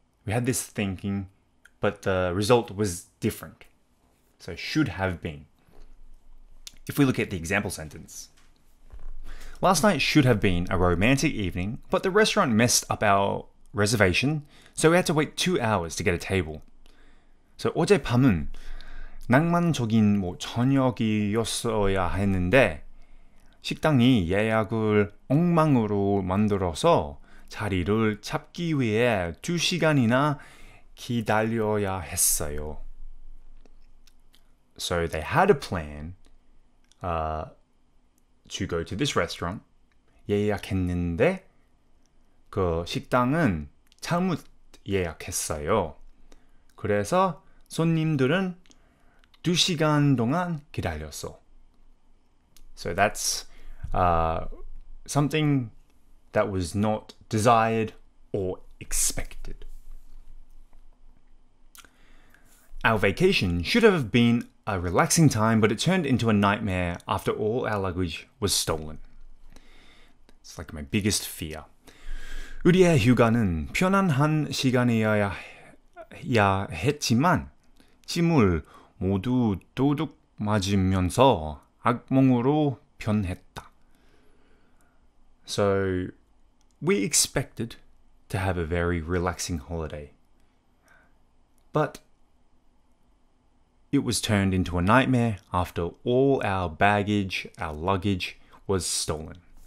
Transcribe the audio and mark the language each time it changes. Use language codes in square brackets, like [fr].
[en] We had this thinking, but the result was different. So should have been. If we look at the example sentence. Last night should have been a romantic evening, but the restaurant messed up our reservation, so we had to wait 2 hours to get a table. [ko] So 어젯밤은 낭만적인 뭐 저녁이었어야 했는데 식당이 예약을 엉망으로 만들어서 자리를 잡기 위해 두 시간이나 기다려야 했어요. [en] So they had a plan to go to this restaurant. [ko] 예약했는데 그 식당은 잘못 예약했어요. 그래서 손님들은 두 시간 동안 기다렸어. [en] So that's something that was not desired or expected. Our vacation should have been a relaxing time, but it turned into a nightmare after all our luggage was stolen. It's like my biggest fear. [ko] 우리의 휴가는 편안한 시간이어야 했지만 짐을 모두 도둑 맞으면서 악몽으로 변했다. [en] So, we expected to have a very relaxing holiday, but it was turned into a nightmare after all our baggage, our luggage, was stolen.